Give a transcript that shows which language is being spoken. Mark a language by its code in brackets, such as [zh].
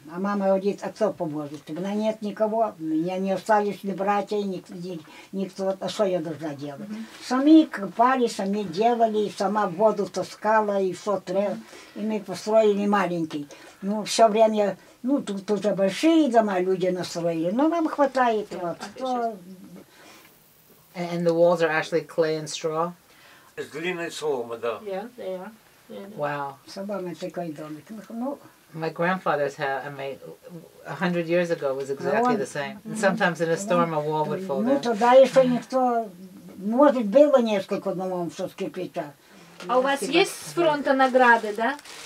[ru] А мама говорит, а кто поможет? Она, нет никого, у меня не остались ни братья, никто, а что я должна делать? Mm-hmm. Сами копали, сами делали, сама воду таскала, и все, и мы построили маленький. Ну, все время, ну, тут уже большие дома люди настроили, но нам хватает. Вот, то... [en] And the walls are actually clay and straw? [ru] С глиной соломы, да. [en] Yeah, they are. Yeah, they are. Wow. [ru] Собами такой домик. Ну, [en] my grandfather's house, I mean, 100 years ago was exactly the same. Mm-hmm. And sometimes in a storm a wall would fall down. [ru] Ну, тогда еще никто... Может, было несколько домов, что с кирпича. А у вас есть с фронта награды, да?